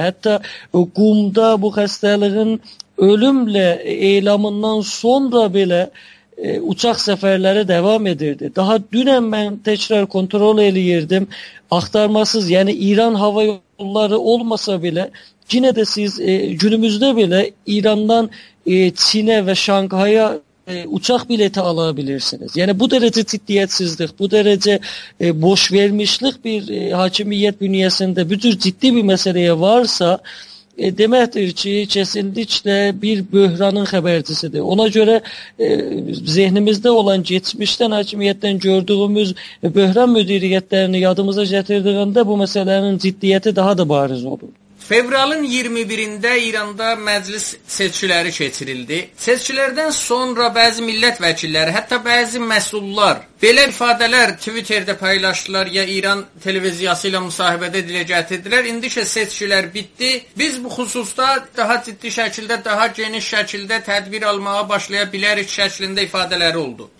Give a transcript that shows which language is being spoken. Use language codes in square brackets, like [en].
[az] Hətta Qumda bu xəstəliğin ölümlə eylamından sonra belə uçaq səfərləri devam edirdi. Daha dünən mən təkrar kontrol eləyirdim, axtarmasız, yəni İran hava yolları olmasa belə, yine də siz günümüzdə belə İrandan Çinə və Şanghaya uçaq bileti alabilirsiniz. [tr] Yani bu derece ciddiyetsizlik, bu derece boş vermişlik bir hakimiyet bünyesinde bütün ciddi bir meseleye varsa demektir ki, kesinlikle bir böhranın habercisidir. Ona göre zihnimizde olan geçmişten hakimiyetten gördüğümüz böhran müdiriyetlerini yadımıza getirdiğinde bu meselenin ciddiyeti daha da bariz olur. [az] Fevralın 21-də İranda məclis seçkiləri keçirildi. Seçkilərdən sonra bəzi millət vəkilləri, hətta bəzi məsullar belə ifadələr Twitterdə paylaşdılar ya İran televiziyası ilə müsahibədə dilə gətirdilər. İndi ki seçkilər bitdi. Biz bu xüsusda daha ciddi şəkildə, daha geniş şəkildə tədbir almağa başlaya bilərik şəklində ifadələri oldu.